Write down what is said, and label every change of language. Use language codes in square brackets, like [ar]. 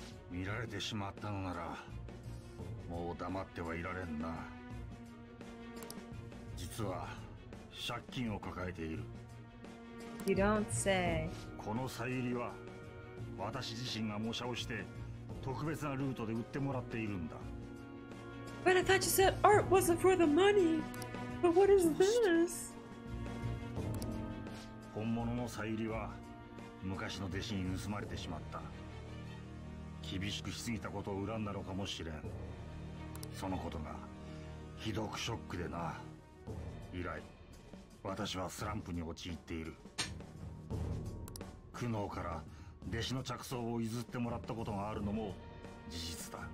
[ja] 見られてしまったのなら、もう黙ってはいられんな。実は借金を抱えている。 [en] You don't say. このサユリは私自身が模写をして特別なルートで売ってもらっているんだ。 But I thought you said art wasn't for the money. But what is this? [ja] 本物のさゆりは昔の弟子に盗まれてしまった。厳しくしすぎたことを恨んだのかもしれん。そのことがひどくショックでな。以来、私はスランプに陥っている。苦悩から弟子の着想を譲ってもらったことがあるのも事実だ。